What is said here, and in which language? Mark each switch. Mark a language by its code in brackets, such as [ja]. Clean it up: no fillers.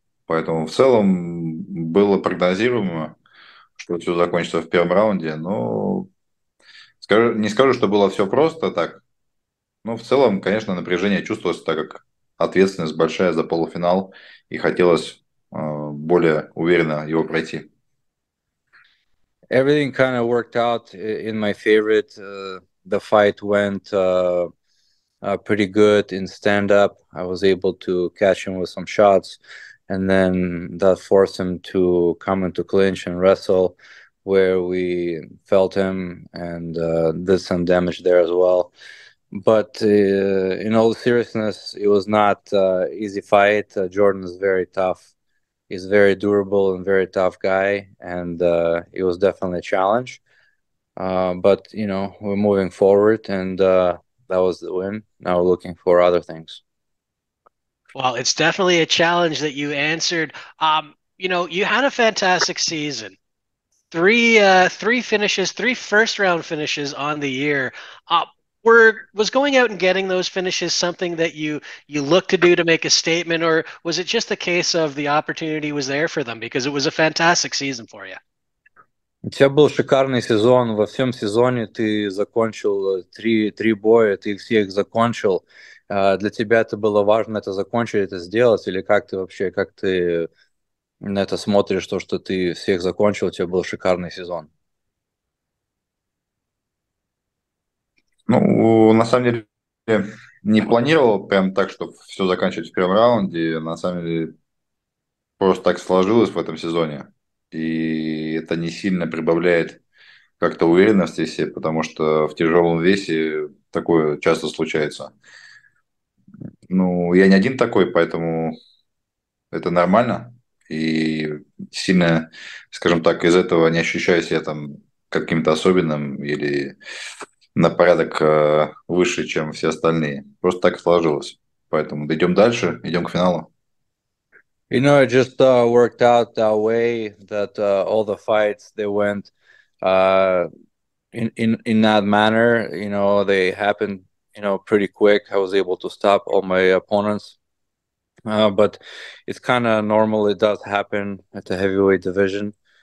[ru] Поэтому в целом было прогнозируемо, что все закончится в первом раунде, но не скажу, что было все просто так. Но в целом, конечно, напряжение чувствовалось, так как ответственность большая за полуфинал, и хотелось более уверенно его пройти. [en] Everything kind of worked out in my favorite. The fight went pretty good in stand-up. I was able to catch him with some shots, and then that forced him to come into clinch and wrestle, where we felt him and did some damage there as well. But in all seriousness, it was not an easy fight. Jordan is very tough. He's a very durable and very tough guy, and it was definitely a challenge. But, you know, we're moving forward, and that was the win. Now we're looking for other things. Well, it's definitely a challenge that you answered. You know, you had a fantastic season. Three finishes, three first-round finishes on the year. Was going out and getting those finishes something that you looked to do to make a statement, or was it just a case of the opportunity was there for them because it was a fantastic season for you? [ru] У тебя был шикарный сезон. Во всем сезоне ты закончил три боя, ты всех закончил. Для тебя это было важно это закончить, это сделать, или как ты вообще, как ты на это смотришь, то, что ты всех закончил, у тебя был шикарный сезон? Ну, на самом деле, не планировал прям так, чтобы все заканчивать в первом раунде. На самом деле, просто так сложилось в этом сезоне. И это не сильно прибавляет как-то уверенности себе, потому что в тяжелом весе такое часто случается. Ну, я не один такой, поэтому это нормально. И сильно, скажем так, из этого не ощущаю себя там каким-то особенным или на порядок выше, чем все остальные. Просто так сложилось. Поэтому дойдем дальше, идем к финалу. [en] It just worked out that way that all the fights they went in that manner. They happened, pretty quick. I was able to stop all my opponents. But it's kind of normal. It does happen at the heavyweight division.